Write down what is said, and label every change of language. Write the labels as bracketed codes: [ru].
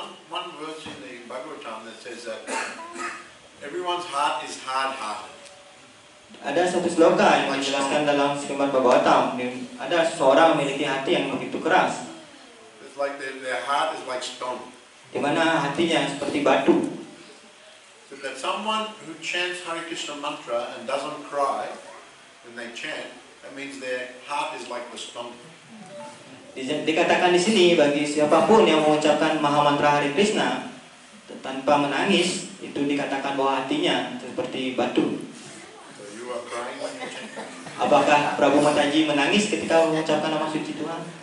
[en] One verse in the Bhagavatam that says that everyone's heart is hard-hearted. [id] Ada satu sloka yang menjelaskan dalam Srimad Bhagavatam, ada seorang memiliki hati yang begitu keras. [en] It's like their heart is like stone. [id] Di mana hatinya seperti batu. [en] So that someone who chants Hare Krishna mantra and doesn't cry when they chant, that means their heart is like the stone. [id] Dikatakan di sini bagi siapapun yang mengucapkan Mahamantra Hari Krishna tanpa menangis, itu dikatakan bahwa hatinya seperti batu. [en] So you are crying when you chant. [id] Apakah Prabhu Mataji menangis ketika mengucapkan nama suci Tuhan?